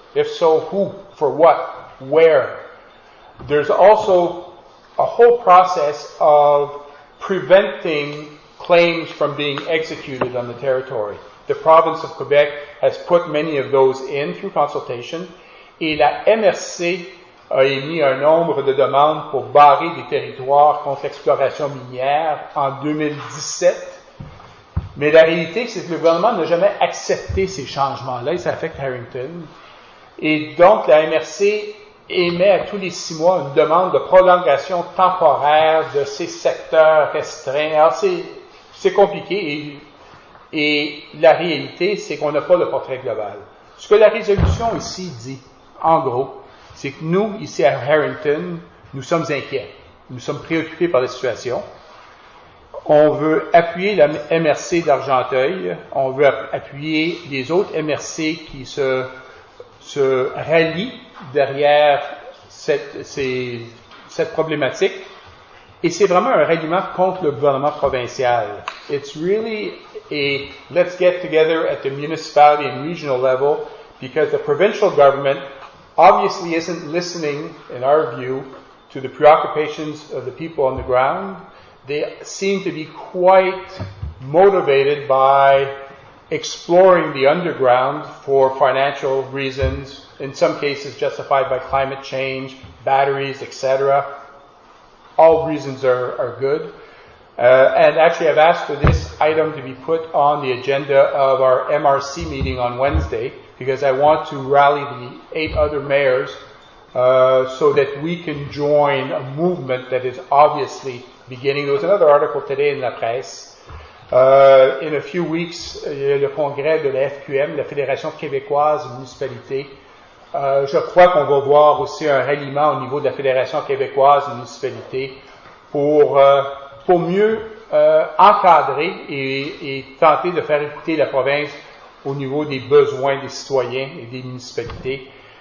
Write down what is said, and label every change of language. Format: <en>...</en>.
<en>If so, who, for what, where? There's also a whole process of preventing claims from being executed on the territory. The province of Quebec has put many of those in through consultation.</en> <fr>Et la MRC a émis un nombre de demandes pour barrer des territoires contre exploration minière en 2017. Mais la réalité, c'est que le gouvernement n'a jamais accepté ces changements-là et ça affecte Harrington. Et donc, la MRC émet à tous les six mois une demande de prolongation temporaire de ces secteurs restreints. Alors, c'est compliqué et la réalité, c'est qu'on n'a pas le portrait global. Ce que la résolution ici dit, en gros, c'est que nous, ici à Harrington, nous sommes inquiets. Nous sommes préoccupés par la situation. On veut appuyer la MRC d'Argenteuil. On veut appuyer les autres MRC qui se rallient derrière cette problématique. Et c'est vraiment un ralliement contre le gouvernement provincial.</fr> <en>It's really a let's get together at the municipality and regional level because the provincial government obviously isn't listening, in our view, to the preoccupations of the people on the ground. They seem to be quite motivated by exploring the underground for financial reasons, in some cases justified by climate change, batteries, etc. All reasons are good. And actually, I've asked for this item to be put on the agenda of our MRC meeting on Wednesday, because I want to rally the eight other mayors so that we can join a movement that is obviously beginning. There was another article today in La Presse. In a few weeks,</en> <fr>le congrès de la FQM, la Fédération québécoise municipalité, je crois qu'on va voir aussi un ralliement au niveau de la Fédération québécoise municipalité pour mieux encadrer et tenter de faire écouter la province au niveau des besoins des citoyens et des municipalités.</fr>